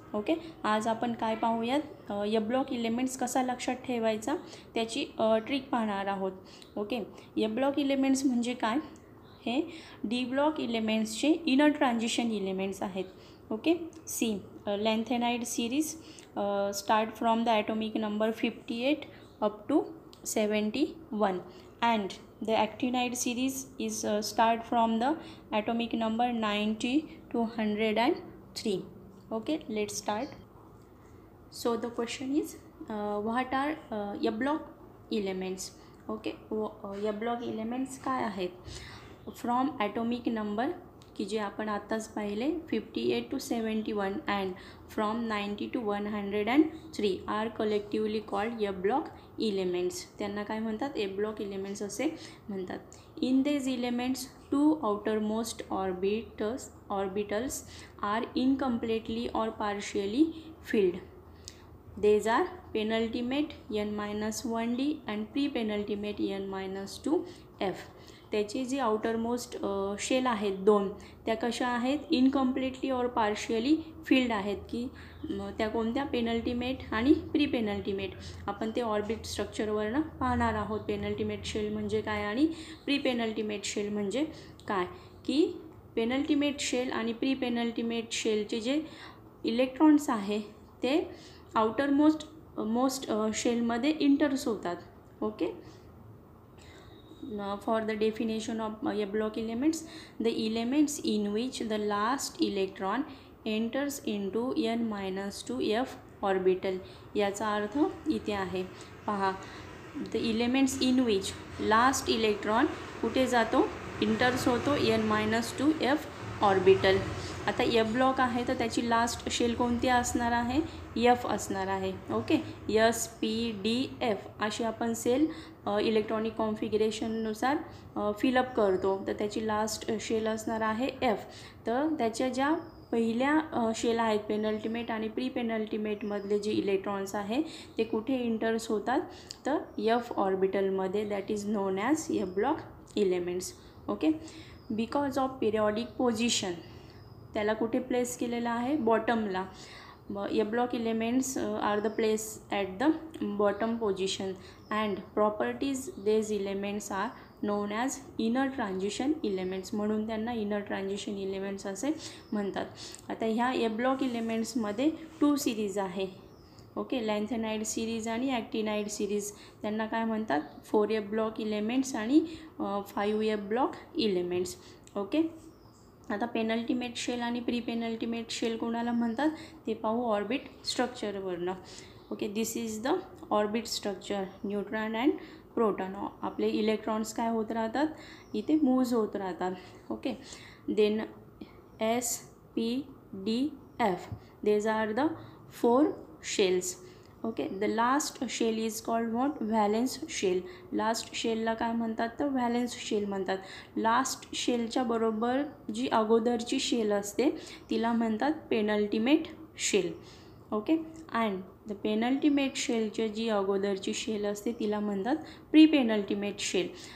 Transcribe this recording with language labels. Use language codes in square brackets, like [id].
[mr] Okay आज आपण काय पाहूयात य ब्लॉक इलिमेंट्स कसा लक्षात ठेवायचा त्याची ट्रिक पाहणार आहोत. ओके य ब्लॉक इलिमेंट्स म्हणजे काय हे D block इलिमेंट्सचे inner transition elements आहेत. [en] Okay see lanthanide series start from the atomic number 58 up to 71 and the actinide series is start from the atomic number 90 to 103. Okay, let's start. So the question is what are a block elements. Okay, a block elements [mr] काय आहेत [en] from atomic number [mr] की जे आपण आताच पाहिले [en] 58 to 71 and from 90 to 103 are collectively called a block elements. [mr] त्यांना काय म्हणतात a block elements असे म्हणतात. [en] In these elements two outermost orbitals are incompletely or partially filled. These are penultimate n-1d and pre-penultimate n-2f. [mr] त्याचे जे outermost shell आहेत दोन त्या कशा आहेत इनकम्प्लीटली और पार्शियली फिल्ड आहेत की त्या कोणत्या पेनल्टीमेट आणि प्री पेनल्टीमेट आपण ते ऑर्बिट स्ट्रक्चरवरनं पाहणार आहोत. पेनल्टीमेट शेल म्हणजे काय आणि प्री पेनल्टीमेट शेल म्हणजे काय की पेनल्टीमेट शेल आणि प्री पेनल्टीमेट शेलचे जे इलेक्ट्रॉन्स आहे ते आउटरमोस्ट मोस्ट शेलमध्ये इंटर्स होतात. [en] Okay Now for the definition of a block elements, the elements in which the last electron enters into n-2f orbital. [mr] याचा अर्थ इथे आहे पहा [en] the elements in which last electron [mr] कुठे जातो [en] enters [mr] होतो [en] n-2f orbital. [mr] आता य ब्लॉक आहे तर त्याची लास्ट शेल कोणती असणार आहे एफ असणार आहे. Okay S P D F अशी आपण सेल इलेक्ट्रॉनिक कॉन्फिगरेशननुसार फिलअप करतो तर त्याची लास्ट शेल असणार आहे एफ. तर त्याच्या ज्या पहिल्या शेल आहेत पेनल्टीमेट आणि प्री पेनल्टीमेटमधले जे इलेक्ट्रॉन्स आहे ते कुठे इंटर्स होतात तर F ऑर्बिटलमध्ये. [en] That is known as f block elements. Okay because of periodic position [mr] त्याला कुठे प्लेस केलेला आहे बॉटमला. [en] F block elements are the place at the bottom position and properties these elements are known as inner transition elements. [mr] म्हणून त्यांना inner transition elements असे म्हणतात. आता ह्या य ब्लॉक इलेमेंट्समध्ये टू सिरीज आहे. ओके लेंथेनाइड सिरीज आणि ॲक्टिनाइड सिरीज त्यांना काय म्हणतात फोर य ब्लॉक इलेमेंट्स आणि फाईव्ह य ब्लॉक इलेमेंट्स. ओके आता पेनल्टीमेट शेल आणि प्री पेनल्टीमेट शेल कोणाला म्हणतात ते पाहू orbit स्ट्रक्चरवरनं. [en] Okay this is the orbit structure neutron and proton. [mr] आपले इलेक्ट्रॉन्स काय होत राहतात इथे मूव्ह होत राहतात. [en] Okay then S P D F these are the four shells. Okay the last shell is called what valence shell. [mr] Last शेलला काय म्हणतात तर व्हॅलेन्स शेल म्हणतात. लास्ट शेलच्या बरोबर जी अगोदरची शेल असते तिला म्हणतात penultimate shell. Okay [en] and the [mr] penultimate शेलच्या G अगोदरची shell असते तिला म्हणतात प्री पेनल्टीमेट शेल.